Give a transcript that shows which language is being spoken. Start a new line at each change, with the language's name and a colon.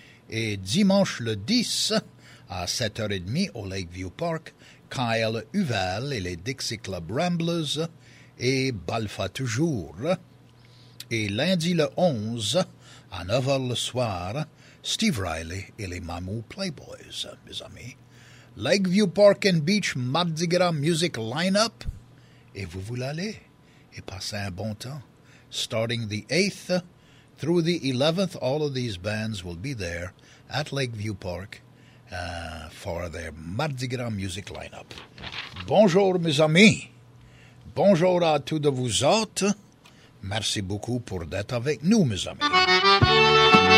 French: Et dimanche le 10 à 7h30, au Lakeview Park, Kyle Huvel et les Dixie Club Ramblers, et Balfa toujours. Et lundi le 11, à 9h le soir, Steve Riley et les Mamou Playboys, mes amis.
English: Lakeview Park and Beach Mardi Gras Music Lineup.
French: Et vous voulez aller et passer un bon temps.
English: Starting the 8th through the 11th, all of these bands will be there at Lakeview Park for their Mardi Gras Music Lineup.
French: Bonjour, mes amis. Bonjour à tous de vous autres. Merci beaucoup pour d'être avec nous, mes amis.